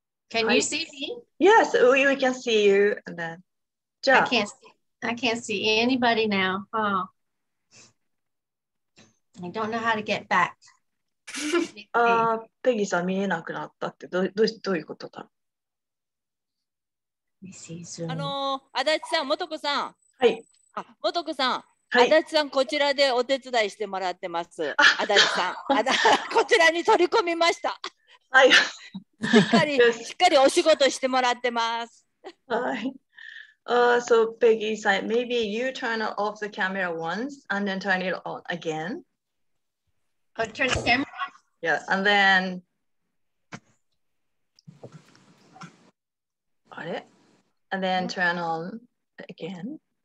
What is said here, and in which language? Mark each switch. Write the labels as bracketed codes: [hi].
[en] Can you see me? Yes, we can see you. And then, ja. I can't see anybody now. Oh, I don't know how to get back. [ja] ペギーさん見えなくなったって どういうことだ。足立さん、元子さん、はい、あ、元子さん、はい、足立さん、こちらでお手伝いしてもらってます。足立さん、こちらに取り込みました。はい、しっかりお仕事してもらってます。 [en] はい、so Peggy said maybe you turn off the camera once and then turn it on again I'll turn the camera. Yeah, and then. Got it. And then turn on again.